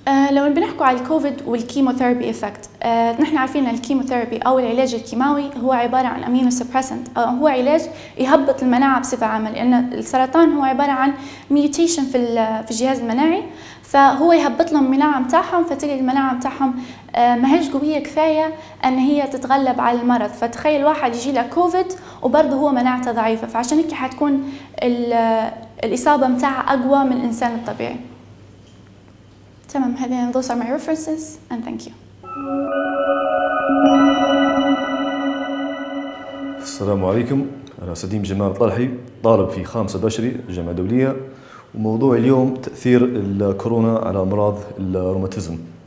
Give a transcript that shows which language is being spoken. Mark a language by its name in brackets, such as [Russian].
[Arabic] لو بنحكوا على الكوفيد والكيموثيرابي إفكت، نحن عارفين أن الكيموثيرابي أو العلاج الكيماوي هو عبارة عن أمينو سبريسنت، أو هو علاج يهبط المناعة بصفة عامة، لأن السرطان هو عبارة عن ميوتيشن في الجهاز المناعي، فهو يهبط لهم المناعة متاعهم، فتجد المناعة متاعهم مهج قوية كفاية أن هي تتغلب على المرض. فتخيل واحد يجي له كوفيد وبرضه هو مناعته ضعيفة، فعشان هيك حتكون الإصابة متاعها أقوى من الإنسان الطبيعي. تمام. هذه [English] those are my references and thank you. [Arabic] السلام عليكم، أنا سديم جمال طلحي، طالب في خامسة بشري جامعة دولية، وموضوع اليوم تأثير الكورونا على أمراض الروماتيزم.